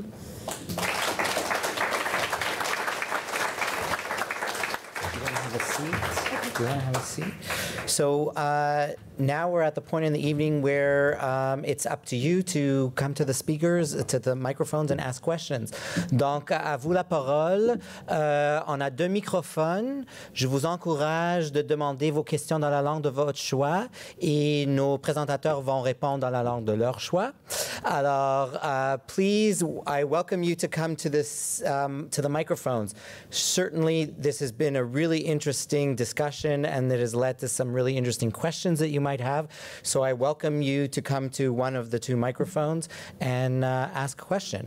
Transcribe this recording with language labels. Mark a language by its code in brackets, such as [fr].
[en] Do you want to have a seat? So now we're at the point in the evening where it's up to you to come to the speakers, to the microphones, and ask questions. [fr] Donc, à vous la parole. On a deux microphones. Je vous encourage de demander vos questions dans la langue de votre choix, et nos présentateurs vont répondre dans la langue de leur choix. [en] Alors, please, I welcome you to come to this to the microphones. Certainly, this has been a really interesting discussion, and it has led to some really interesting questions that you might have. So I welcome you to come to one of the two microphones and ask a question.